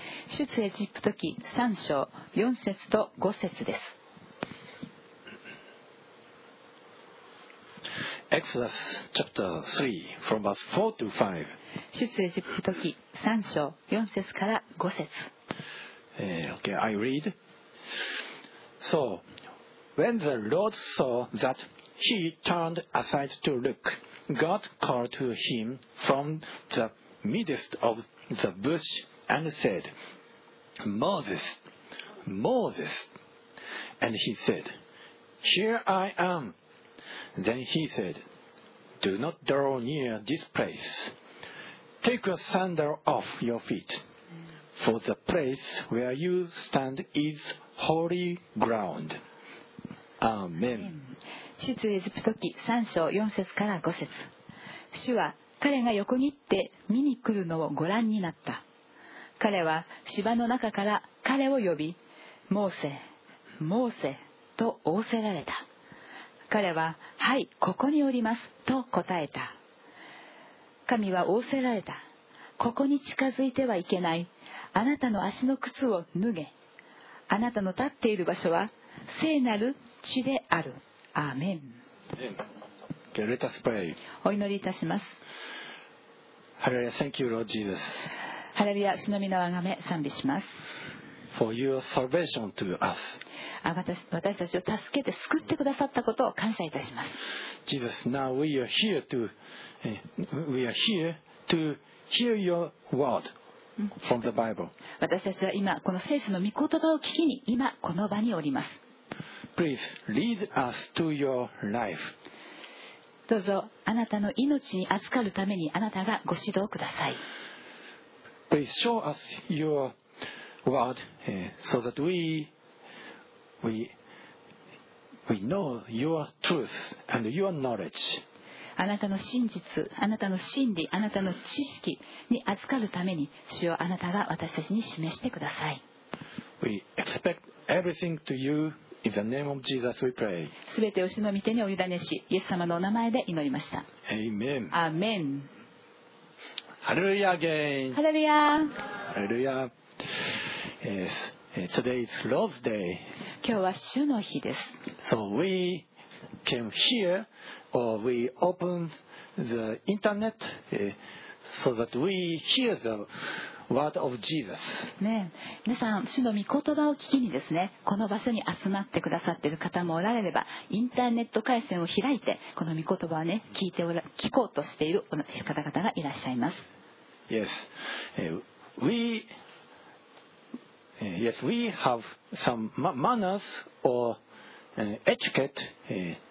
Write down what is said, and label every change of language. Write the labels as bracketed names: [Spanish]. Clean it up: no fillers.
[Japanese] 出エジプト記3章4節と5節です。 [English] Exodus chapter 3 from verse 4 to 5. [Japanese] 出エジプト記3章4節から5節。 [English] Okay, I read. So, when the Lord saw that he turned aside to look, God called to him from the midst of the bush and said, Moses, Moses. And he said, Here I am. Then he said, Do not draw near this place. Take your sandal off your feet. For the place where you stand is holy ground. Amen. [Japanese] 出エジプト記3章4節から5節。主は彼が横切って見に来るのをご覧になった。彼は芝の中から彼を呼び、モーセ、モーセと仰せられた。彼は、はい、ここにおりますと答えた。神は仰せられた。ここに近づいてはいけない。あなたの足の靴を脱げ。あなたの立っている場所は聖なる地である。アーメン。 [English] Okay, let us pray. [Japanese] お祈りいたします。 [English] ハレルヤ、Thank you, Lord Jesus. [Japanese] ハレルヤ、主の御名をあがめ、賛美します。 [English] For your salvation to us. [Japanese] 私たちを助けて救ってくださったことを感謝いたします。 [English] Jesus, now we are here to, hear your word. From the Bible. [Japanese] 私たちは今この聖書の御言葉を聞きに今この場におります。 [English] Please lead us to your life. [Japanese] どうぞあなたの命に預かるためにあなたがご指導ください。 [English] Please show us your word, so that we know your truth and your knowledge. [Japanese] あなたの真実、あなたの真理、あなたの知識に預かるために主よあなたが私たちに示してください。 [English] We expect everything to you in the name of Jesus we pray. [Japanese] 全てを主の御手にお委ねしイエス様のお名前で祈りました。 [English] Amen. [Japanese] アーメン。 [English] ハレルヤ again. [Japanese] ハレルヤ。 [English] ハレルヤ。Yes. Today is Lord's Day. [Japanese] 今日は主の日です。 [English] So we came hereOr we open the internet, so that we hear the word of Jesus. [Japanese] ね、皆さん主の御言葉を聞きにですね、この場所に集まってくださっている方もおられれば、インターネット回線を開いてこの御言葉をね、聞こうとしている方々がいらっしゃいます。 [English] Yes, we have some manners or etiquette.